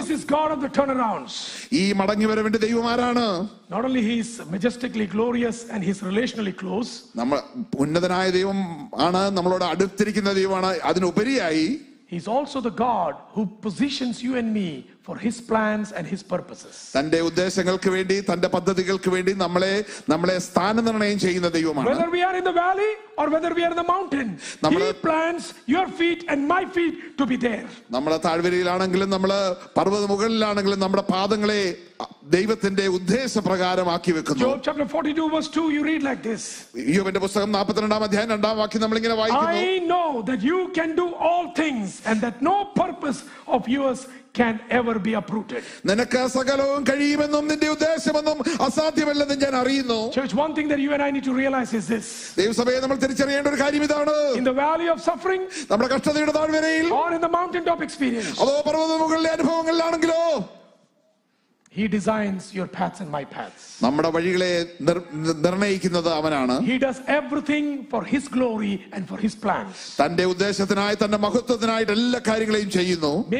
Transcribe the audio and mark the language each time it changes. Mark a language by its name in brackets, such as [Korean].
[English] Who is this God of the turnarounds? [Malayalam] ഈ മടങ്ങിവരവിന്റെ ദൈവം ആരാണ്? [English] Not only he is majestically glorious and he is relationally close. [Malayalam] നമ്മൾ ഉന്നതനായ ദൈവം ആണ്, നമ്മളോട് അടുത്തിരിക്കുന്ന ദൈവമാണ്. അതിനുപരിയായി [English] He is also the God who positions you and me for his plans and his purposes. [Malayalam] തന്റെ ഉദ്ദേശങ്ങൾക്ക് വേണ്ടി തന്റെ പദ്ധതികൾക്ക് വേണ്ടി നമ്മളെ സ്ഥാനനിർണയം ചെയ്യുന്ന ദൈവമാണ്. [English] Whether we are in the valley or whether we are in the mountain, he plans your feet and my feet to be there. [Malayalam] നമ്മളെ താഴ്വരയിലാണെങ്കിലും നമ്മളെ പർവ്വതമുകളിലാണെങ്കിലും നമ്മുടെ പാദങ്ങളെ ദൈവത്തിന്റെ ഉദ്ദേശപ്രകാരമാക്കി വെക്കുന്നു. [English] Job chapter 42 verse 2 you read like this. [Malayalam] യോബിന്റെ പുസ്തകം 42-ാം അധ്യായം 2-ാം വാക്യം നമ്മൾ ഇങ്ങനെ വായിക്കുന്നു. [English] I know that you can do all things and that no purpose of yours can ever be uprooted. [Malayalam] നിനക്ക് സകലവും കഴിയുമെന്നും നിന്റെ ഉദ്ദേശമെന്നും അസാധ്യമല്ലെന്നും ഞാൻ അറിയുന്നു. [English] Church, one thing that you and I need to realize is this. [Malayalam] ദൈവസഭയെ നമ്മൾ തിരിച്ചറിയേണ്ട ഒരു കാര്യം ഇതാണ്. [English] In the valley of suffering, [Malayalam] നമ്മുടെ കഷ്ടതയുടെ താഴ്വരയിൽ, [English] or in the mountain top experience, [Malayalam] അതോ പർവ്വതമുകളിലെ അനുഭവങ്ങളിലാണെങ്കിലോ, [English] He designs your paths and my paths. [Malayalam] നമ്മുടെ വഴികളെ നിർണ്ണയിക്കുന്നത് അവനാണ്. [English] He does everything for his glory and for his plans. [Malayalam] തന്റെ ഉദ്ദേശത്തിനായി തന്റെ മഹത്വത്തിനായി എല്ലാ കാര്യങ്ങളെയും ചെയ്യുന്നു.